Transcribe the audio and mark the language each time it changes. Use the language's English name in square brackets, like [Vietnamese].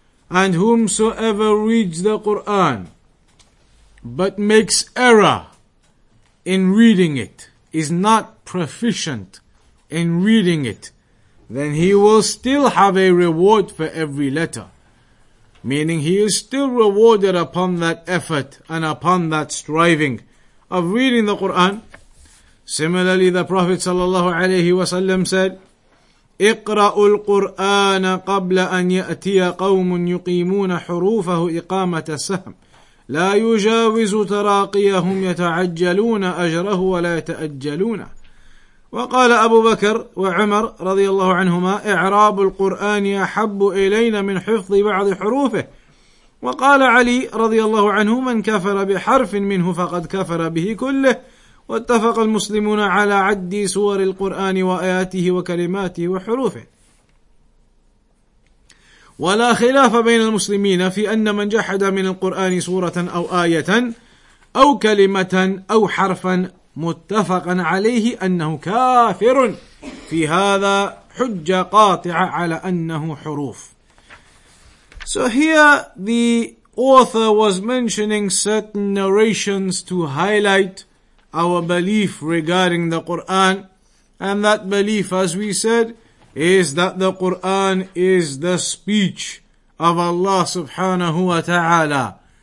[English] And whomsoever reads the Qur'an but makes error in reading it, is not proficient in reading it, then he will still have a reward for every letter. Meaning he is still rewarded upon that effort and upon that striving of reading the Qur'an. Similarly, the Prophet sallallahu alayhi wa sallam said, [Arabic] اقرأوا القرآن قبل أن يأتي قوم يقيمون حروفه إقامة السهم لا يجاوز تراقيهم يتعجلون أجره ولا يتأجلون. وقال أبو بكر وعمر رضي الله عنهما إعراب القرآن أحب إلينا من حفظ بعض حروفه. وقال علي رضي الله عنه من كفر بحرف منه فقد كفر به كله. واتفق المسلمون على عد سور القرآن وآياته وكلماته وحروفه. ولا خلاف بين المسلمين في أن من جحد من القرآن سورة أو آية أو كلمة أو حرفا متفق عليه أنه كافر. في هذا حجة قاطعة على أنه حروف. [English] So here the author was mentioning certain narrations to highlight our belief regarding the Qur'an. And that belief, as we said, is that the Qur'an is the speech of Allah subhanahu wa ta'ala.